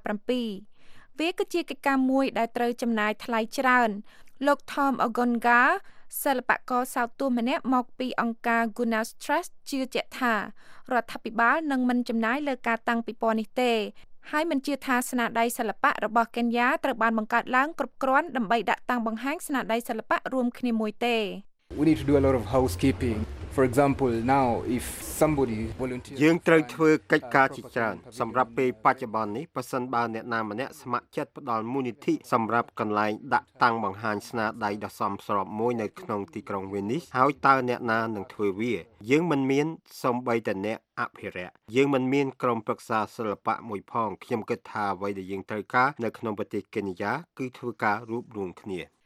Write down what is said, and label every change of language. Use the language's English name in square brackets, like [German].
[Khmer] 2017វាគឺជាកិច្ចការមួយដែលត្រូវចំណាយថ្លៃច្រើនលោក Tom Ogonga សិល្បករសោតទួម្នាក់មកពីអង្គការ Gunas Trust ជឿជាក់ថារដ្ឋាភិបាលនឹងមិនចំណាយលើការតាំងពិព័រណ៍នេះទេហើយមិនជាថាស្នាដៃសិល្បៈរបស់កេនយ៉ាត្រូវបានបង្កើតឡើងគ្រប់គ្រាន់ដើម្បីដាក់តាំងបង្ហាញស្នាដៃសិល្បៈរួមគ្នាមួយទេ [English] We need to do a lot of housekeeping for example now if somebody volunteers [Khmer] យើងត្រូវធ្វើកិច្ចការជាច្រើនសម្រាប់ពេលបច្ចុប្បន្ននេះប្រសិនបើអ្នកណាម្នាក់ស្ម័គ្រចិត្តផ្ដល់មូលនិធិសម្រាប់កន្លែងដាក់តាំងបង្ហាញស្នាដៃដ៏សំស្របមួយនៅក្នុងទីក្រុងវិញនេះហើយតើអ្នកណានឹងធ្វើវាយើងមិនមានសំបីតអ្នកអភិរក្សយើងមិនមានក្រុមប្រឹក្សាសិល្បៈមួយផងខ្ញុំគិតថាអ្វីដែលយើងត្រូវការនៅក្នុងប្រទេសកេនយ៉ាគឺធ្វើការរួមគ្នា